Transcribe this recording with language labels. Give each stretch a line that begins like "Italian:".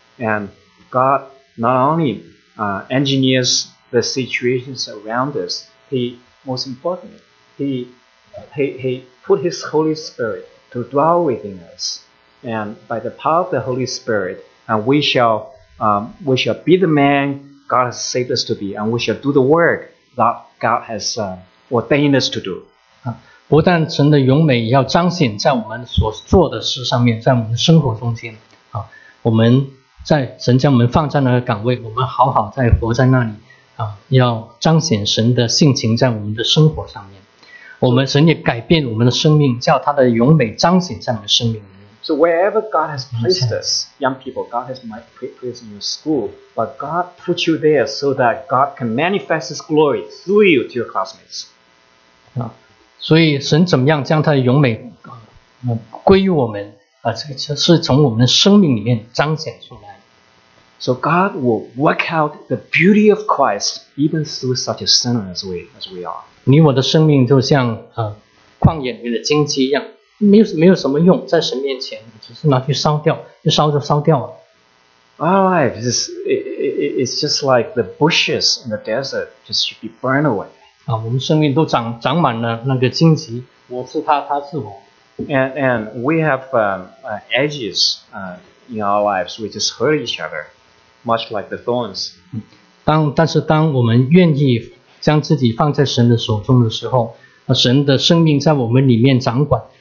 English: And God not only engineers the situations around us, He, most importantly, He put His Holy Spirit to dwell within us. And by the power of the Holy Spirit, we shall be the man God has saved us to be, and we shall do the work that God has ordained us to do.
Chinese: 不但神的荣美要彰显在我们所做的事上面，在我们的生活中间，我们在神将我们放在那个岗位，我们好好在活在那里，要彰显神的性情在我们的生活上面。我们神也改变我们的生命，叫他的荣美彰显在我们的生命里面。
English: So wherever God has placed us, young people, God has placed in your school, but God put you there so that God can manifest His glory through you to your classmates.
Chinese: 所以神怎么样将他的荣美归于我们，是从我们的生命里面彰显出来。
English: So God will work out the beauty of Christ even through such a sinner as we are.
Chinese: 你我的生命就像旷野里面的荆棘一样，没有什么用，在神面前只是拿去烧掉，就烧就烧掉了。
English: Our life is it's just like the bushes in the desert, just should be burned away.
Chinese: 我们生命都长满了那个荆棘，我是他，他是我。
English: And we have edges in our lives, we just hurt each other, much like the thorns.
Chinese: 但是当我们愿意将自己放在神的手中的时候，神的生命在我们里面掌管。